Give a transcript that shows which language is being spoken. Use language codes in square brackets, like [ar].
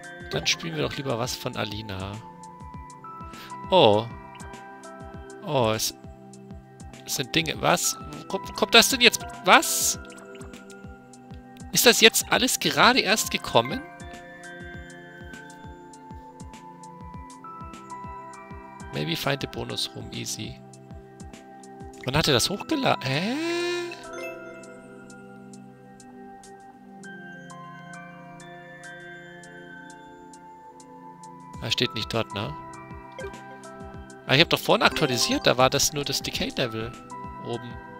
[de] Dann spielen wir doch lieber was von Alina. Oh. Oh, es... Es sind Dinge... Was? Kommt das denn jetzt... Was? Ist das jetzt alles gerade erst gekommen? [en] Maybe find the bonus room, easy. [de] Wann hat er das hochgeladen? Hä? Er steht nicht dort, ne? Ah, ich habe doch vorhin aktualisiert, da war das nur das Decay-Level oben.